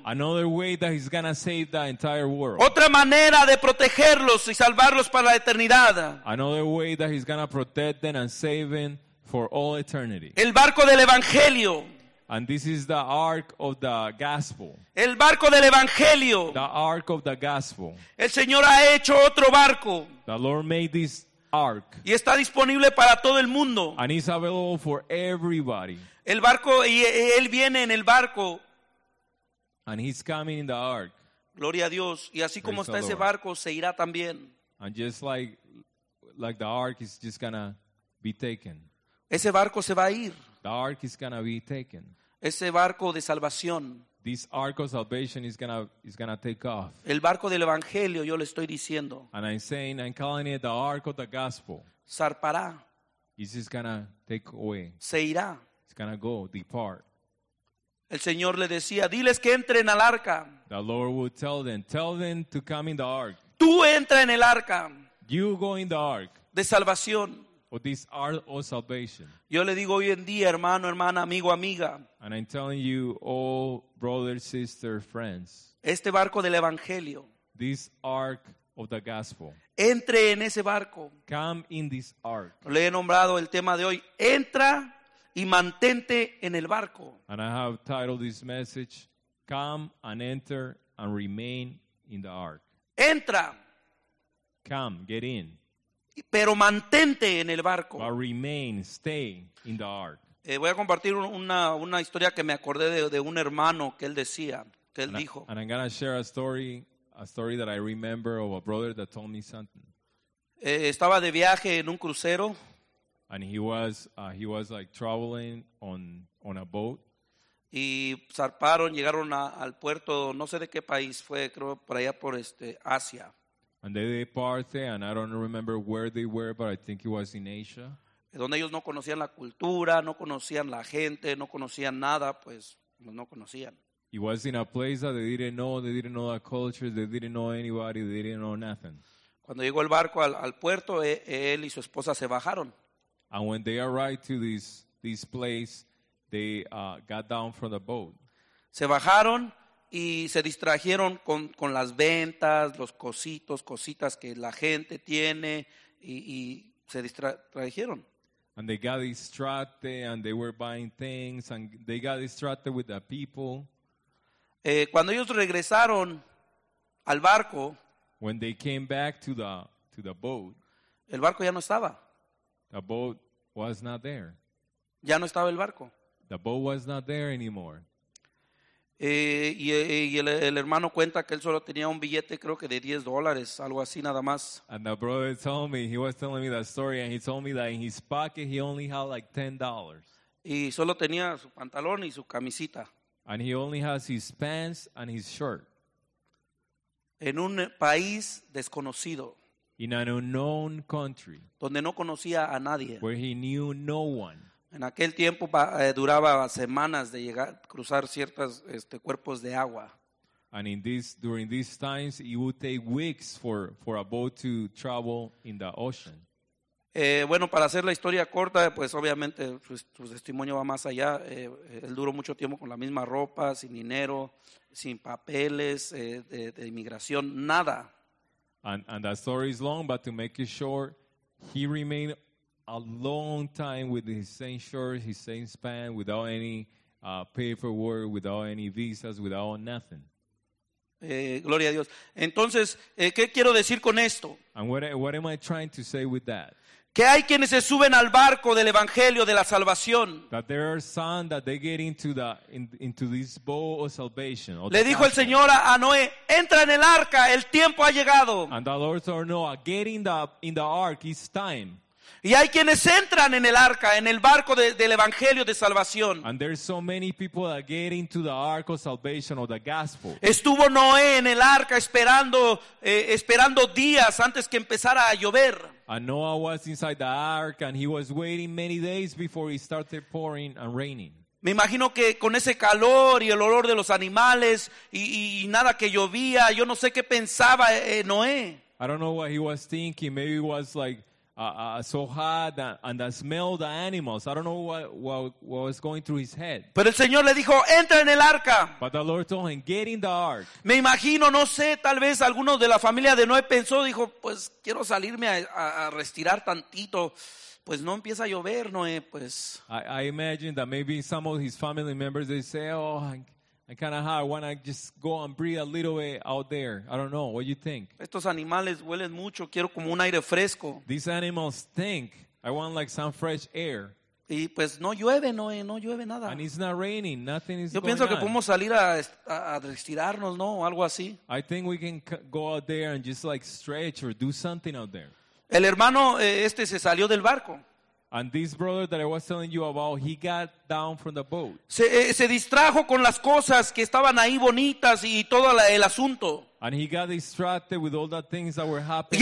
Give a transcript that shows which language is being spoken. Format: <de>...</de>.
<en>Another way that he's gonna save the entire world.</en> <es>Otra manera de protegerlos y salvarlos para la eternidad.</es> <en>Another way that he's gonna protect them and save them for all eternity.</en> <es>El barco del evangelio.</es> <en>And this is the ark of the gospel.</en> <es>El barco del evangelio.</es> <en>The ark of the gospel.</en> <es>El Señor ha hecho otro barco.</es> <en>The Lord made this ark.</en> <es>Y está disponible para todo el mundo.</es> <en>And it's available for everybody.</en> <es>El barco, y él viene en el barco.</es> <en>And he's coming in the ark.</en> <es>Gloria a Dios. Y así como está ese barco, se irá también.</es> <en>And just like the ark is just gonna be taken.</en> <es>Ese barco se va a ir.</es> <en>The ark is gonna be taken.</en> <es>Ese barco de salvación.</es> <en>This ark of salvation is gonna take off.</en> <es>El barco del evangelio, yo le estoy diciendo.</es> <en>And I'm calling it the ark of the gospel.</en> <es>Zarpará.</es> <en>It's just gonna take away.</en> <es>Se irá.</es> <en>It's gonna go, depart.</en> <es>El Señor le decía, diles que entren al arca.</es> <en>The Lord would tell them to come in the ark.</en> <es>Tú entra en el arca.</es> <en>You go in the ark.</en> <es>De salvación.</es> <en>or this art of salvation.</en> <es>Yo le digo hoy en día, hermano, hermana, amigo, amiga.</es> <en>And I'm telling you, all brothers, sisters, friends.</en> <es>Este barco del evangelio.</es> <en>This ark of the gospel.</en> <es>Entre en ese barco.</es> <en>Come in this ark.</en> <es>Le he nombrado el tema de hoy. Entra y mantente en el barco.</es> <en>And I have titled this message, Come and Enter and Remain in the Ark.</en> <es>Entra.</es> <en>Come, get in.</en> <es>Pero mantente en el barco.</es> <en>But remain, stay in the ark.</en> <es>Voy a compartir una historia que me acordé de un hermano que él decía, que él dijo.</es> <en>And I'm going to share a story that I remember of a brother that told me something.</en> <es>Estaba de viaje en un crucero.</es> <en>And he was like traveling on a boat.</en> <es>Y zarparon, llegaron al puerto, no sé de qué país fue, creo por allá por Asia.</es> <en>And they departed, and I don't remember where they were, but I think it was in Asia.</en> <es>Donde ellos no conocían la cultura, no conocían la gente, no conocían nada, pues no conocían.</es> <en>It was in a place that they didn't know the culture, they didn't know anybody, they didn't know nothing.</en> <es>Cuando llegó el barco al puerto, él y su esposa se bajaron.</es> <en>And when they arrived to this place, they got down from the boat.</en> <es>Se bajaron y se distrajeron con las ventas, los cositas que la gente tiene y se distrajeron.</es> <en>And they got distracted and they were buying things and they got distracted with the people.</en> <es>Cuando ellos regresaron al barco,</es> <en>when they came back to the boat,</en> <es>el barco ya no estaba.</es> <en>The boat was not there.</en> <es>Ya no estaba el barco.</es> <en>The boat was not there anymore.</en> <es>Y el hermano cuenta que él solo tenía un billete, creo que de $10, algo así nada más.</es> <en>And the brother told me, he was telling me that story, and he told me that in his pocket he only had like $10.</en> <es>Y solo tenía su pantalón y su camisita.</es> <en>And he only has his pants and his shirt.</en> <es>En un país desconocido.</es> <en>In an unknown country.</en> <es>Donde no conocía a nadie.</es> <en>Where he knew no one.</en> <es>En aquel tiempo duraba semanas de llegar, cruzar ciertos cuerpos de agua.</es> <en>And in this, during these times, it would take weeks for a boat to travel in the ocean.</en> <es>Bueno, para hacer la historia corta, pues obviamente su testimonio va más allá. Él duró mucho tiempo con la misma ropa, sin dinero, sin papeles, de inmigración, nada.</es> <en>And the story is long, but to make it short, he remained a long time with his same shirt, his same pants, without any paperwork, without any visas, without nothing.</en> <es>Gloria a Dios. Entonces, ¿qué quiero decir con esto?</es> <en>And what am I trying to say with that?</en> <es>Que hay quienes se suben al barco del evangelio de la salvación.</es> <en>That there are some that they get into this boat of salvation.</en> <es>Le dijo el Señor a Noé, entra en el arca, el tiempo ha llegado.</es> <en>And the Lord told Noah, get in the ark, it's time.</en> <es>Y hay quienes entran en el arca, en el barco del evangelio de salvación.</es> <en>And there's so many people that get into the ark of salvation or the gospel.</en> <es>Estuvo Noé en el arca esperando días antes que empezara a llover.</es> <en>And Noah was inside the ark and he was waiting many days before it started pouring and raining.</en> <es>Me imagino que con ese calor y el olor de los animales y nada que llovía, yo no sé qué pensaba Noé.</es> <en>I don't know what he was thinking. Maybe it was like so hot and the smell of the animals. I don't know what was going through his head.</en> <es>Pero el Señor le dijo, entra en el arca.</es> <en>But the Lord told him, get in the ark.</en> <es>Me imagino, no sé, tal vez alguno de la familia de Noé pensó, dijo, pues quiero salirme a retirar tantito. Pues no empieza a llover, Noé, pues.</es> <en>I imagine that maybe some of his family members, they say, oh, I kind of hot. I want to just go and breathe a little bit out there. I don't know. What do you think?</en> <es>Estos animales huelen mucho. Quiero como un aire fresco.</es> <en>These animals stink. I want like some fresh air.</en> <es>Y pues no llueve, Noé. No llueve nada.</es> <en>And it's not raining. Nothing is going on.</en> <es>Yo pienso que podemos salir a estirarnos, ¿no? Algo así.</es> <en>I think we can go out there and just like stretch or do something out there.</en> <es>El hermano se salió del barco.</es> <en>And this brother that I was telling you about, he got down from the boat.</en> <es>Se distrajo con las cosas que estaban ahí bonitas y todo el asunto.</es> <en>And he got distracted with all the things that were happening.</en>